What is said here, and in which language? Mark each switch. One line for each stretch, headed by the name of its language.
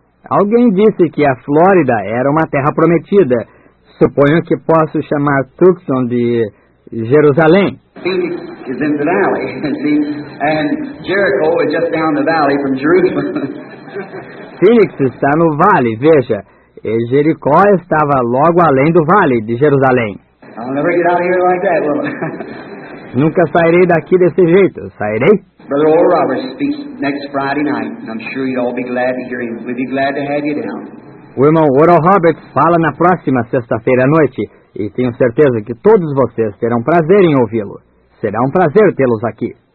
Portuguese: Alguém disse que a Flórida era uma terra prometida. Suponho que posso chamar Tucson de Jerusalém.
English: Phoenix is in the valley, see? And Jericho is just down the valley from Jerusalem.
Portuguese: Phoenix está no vale, veja. E Jericó estava logo além do vale de Jerusalém.
English: I'll never get out of here like that, will I?
Portuguese: Nunca sairei daqui desse jeito, sairei?
English: Brother Oral Roberts speaks next Friday night, and I'm sure you'll all be glad to hear him. We'll be glad to have you down.
Portuguese: O irmão Oral Roberts fala na próxima sexta-feira à noite, e tenho certeza que todos vocês terão prazer em ouvi-lo. Será um prazer tê-los aqui.